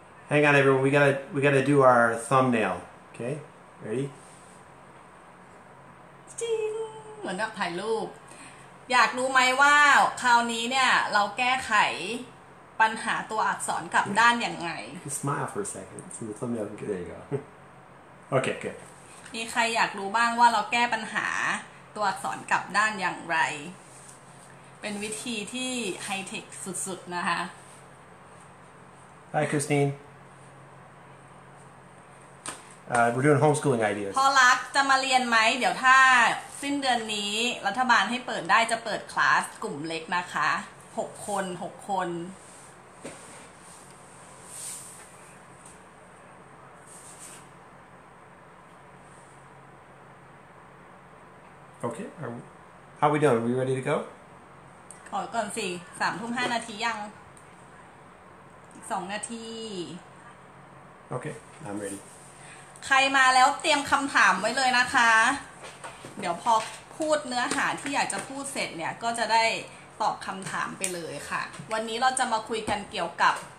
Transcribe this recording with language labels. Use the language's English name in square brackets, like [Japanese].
[English] Hang on everyone we gotta do our thumbnail okay ready [Thai] จริงเหมือนกับถ่ายรูปอยากรู้ไหมว่าคราวนี้เนี่ยเราแก้ไขปัญหาตัวอักษรกับด้านอย่างไง [English] smile for a second so the thumbnail can get there you go okay good [Thai] มีใครอยากรู้บ้างว่าเราแก้ปัญหาตัวอักษรกับด้านอย่างไรเป็นวิธีที่ไฮเทคสุดๆนะคะ [English] Hi ChristineWe're doing homeschooling ideas. [Thai] พอลักจะมาเรียนไหมเดี๋ยวถ้าสิ้นเดือนนี้รัฐบาลให้เปิดได้จะเปิดคลาสกลุ่มเล็กนะคะ6 คน 6 คน [English] โอเค How we doing? Are we ready to go? [Thai] ขอก่อนสิ3 ทุ่ม 5 นาทียังอีก2 นาที [English] โอเค I'm ready. [Thai] ใครมาแล้วเตรียมคำถามไว้เลยนะคะเดี๋ยวพอพูดเนื้อหาที่อยากจะพูดเสร็จเนี่ยก็จะได้ตอบคำถามไปเลยค่ะวันนี้เราจะมาคุยกันเกี่ยวกับ